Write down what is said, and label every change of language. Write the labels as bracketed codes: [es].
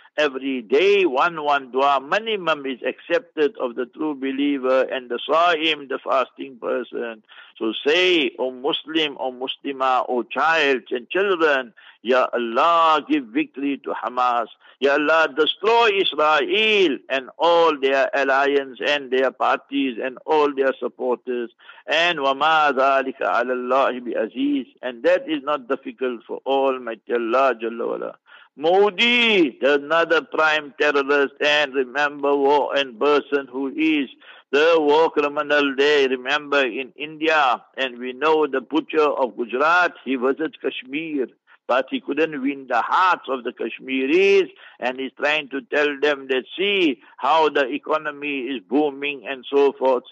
[en] Every day one dua minimum is accepted of the true believer and the sa'im, the fasting person. So say, O Muslim, O Muslima, O child and children, Ya Allah, give victory to Hamas. Ya Allah, destroy Israel and all their alliance and their parties and all their supporters. And [ar] وَمَا ذَلِكَ عَلَى اللَّهِ بِعَزِيزٍ. [en] And that is not difficult for Almighty Allah Jalla Wala. Modi, another prime terrorist, and remember war and person who is the war criminal there, remember in India, and we know the butcher of Gujarat, he visits Kashmir, but he couldn't win the hearts of the Kashmiris, and he's trying to tell them that see how the economy is booming and so forth.